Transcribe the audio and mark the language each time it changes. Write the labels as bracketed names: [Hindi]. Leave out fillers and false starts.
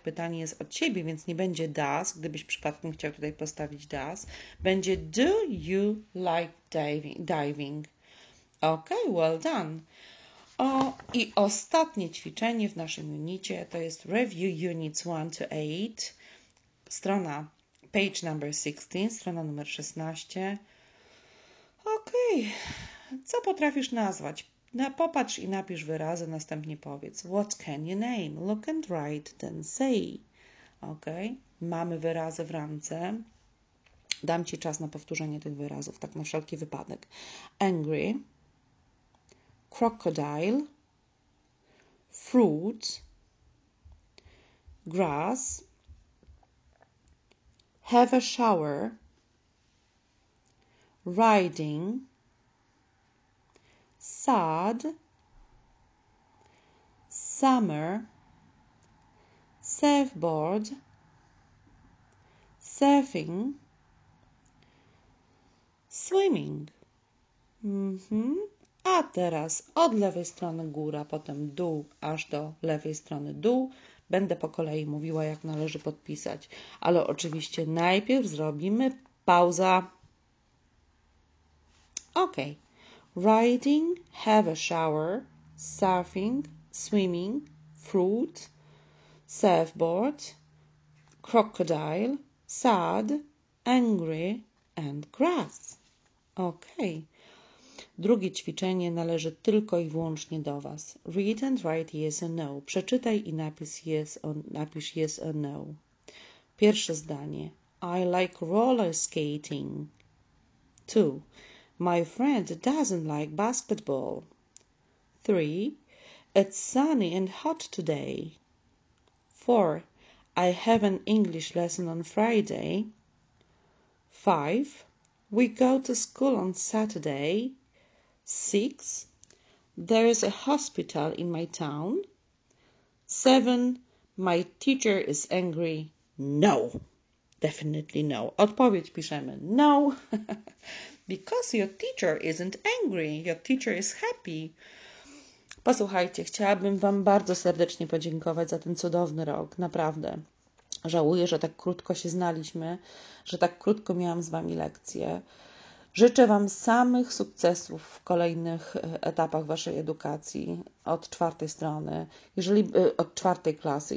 [Polish] Pytanie jest od ciebie, więc nie będzie does, gdybyś przypadkiem chciał tutaj postawić does. Będzie [English] do you like diving? Ok, well done. [Polish] O, i ostatnie ćwiczenie w naszym unicie to jest [English] Review Units 1 to 8. [Polish] Strona, [English] page number 16, [Polish] strona numer 16. Ok, co potrafisz nazwać? Popatrz i napisz wyrazy, następnie powiedz. [English] What can you name? Look and write, then say. Ok, [Polish] mamy wyrazy w ramce. Dam ci czas na powtórzenie tych wyrazów, tak na wszelki wypadek. [English] Angry. Crocodile, fruit, grass, have a shower, riding, sad, summer, surfboard, surfing, swimming. [Polish] A teraz od lewej strony góra, potem dół, aż do lewej strony dół. Będę po kolei mówiła, jak należy podpisać. Ale oczywiście najpierw zrobimy pauza. Ok. [English] Riding, have a shower, surfing, swimming, fruit, surfboard, crocodile, sad, angry and grass. Ok. [Polish] Drugie ćwiczenie należy tylko i wyłącznie do Was. [English] Read and write yes or no. [Polish] Przeczytaj i napisz [English] yes or no. [Polish] Pierwsze zdanie. [English] I like roller skating. Two. My friend doesn't like basketball. Three. It's sunny and hot today. Four. I have an English lesson on Friday. Five. We go to school on Saturday. 6. There is a hospital in my town. 7. My teacher is angry. No. Definitely no. [Polish] Odpowiedź piszemy. No. [English] Because your teacher isn't angry. Your teacher is happy. [Polish] Posłuchajcie, chciałabym Wam bardzo serdecznie podziękować za ten cudowny rok. Naprawdę. Żałuję, że tak krótko się znaliśmy, że tak krótko miałam z Wami lekcję. Życzę Wam samych sukcesów w kolejnych etapach Waszej edukacji od czwartej strony, od czwartej klasy.